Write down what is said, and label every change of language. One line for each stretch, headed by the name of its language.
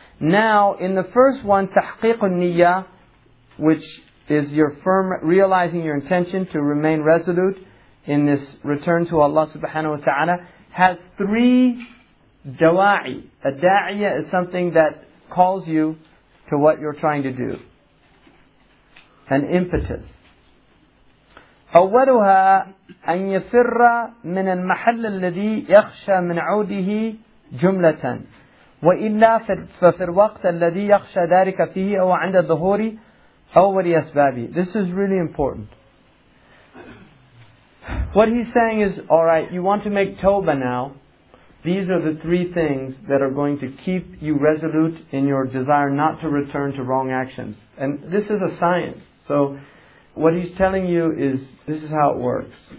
English: Now, in the first one, تحقيق النية, which is your firm realizing your intention to remain resolute in this return to Allah subhanahu wa ta'ala, has three dawa'i. A da'iyah is something that calls you to what you're trying to do. An impetus.
Arabic: أولها أن يفر من المحل الذي يخشى من عوده جملة وإلا ففي الوقت الذي يخشى ذلك فيه أو عند الظهور أو وليسبابه.
English: This is really important. What he's saying is, all right, you want to make tawbah now. These are the three things that are going to keep you resolute in your desire not to return to wrong actions. And this is a science. So what he's telling you is, this is how it works.